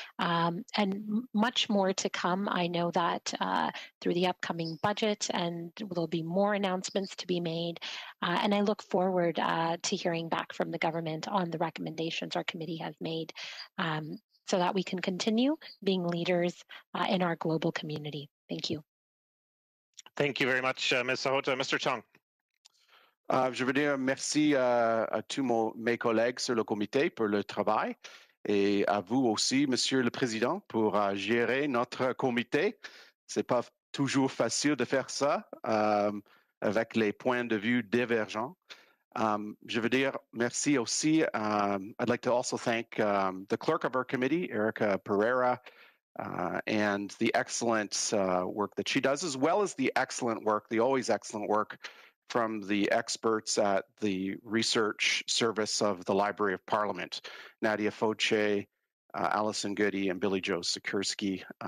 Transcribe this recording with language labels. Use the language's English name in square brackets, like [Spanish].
[English] And much more to come. I know that through the upcoming budget, and there'll be more announcements to be made. And I look forward to hearing back from the government on the recommendations our committee has made so that we can continue being leaders in our global community. Thank you. Thank you very much, Ms. Sahota. Mr. Chong. [French] Je veux dire merci à tous mes collègues sur le comité pour le travail. Et à vous aussi, Monsieur le Président, pour gérer notre comité. C'est pas toujours facile de faire ça avec les points de vue divergents. Je veux dire merci aussi. [English] I'd like to also thank the clerk of our committee, Erica Pereira, and the excellent work that she does, as well as the excellent work, the always excellent work, from the experts at the research service of the Library of Parliament, Nadia Foce, Allison Goody, and Billy Joe Sikorsky.